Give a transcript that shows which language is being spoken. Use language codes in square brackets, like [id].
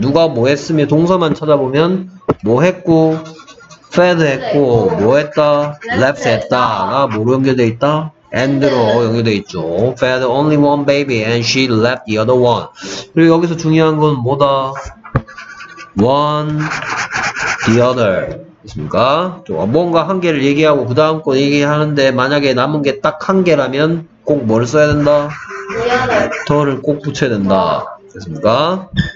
[ko] 누가 뭐 했으며 동사만 찾아보면 뭐 했고 fed 했고 뭐 했다 left 했다가 뭐로 연결되어 있다? And로 연결되어 있죠. [en] Fed only one baby and she left the other one. [ko] 그리고 여기서 중요한 건 뭐다? [en] One, the other. [ko] 있습니까? 뭔가 한 개를 얘기하고 그 다음 거 얘기하는데 만약에 남은 게 딱 한 개라면 꼭 뭘 써야 된다? The를 꼭 붙여야 된다. 됐습니까?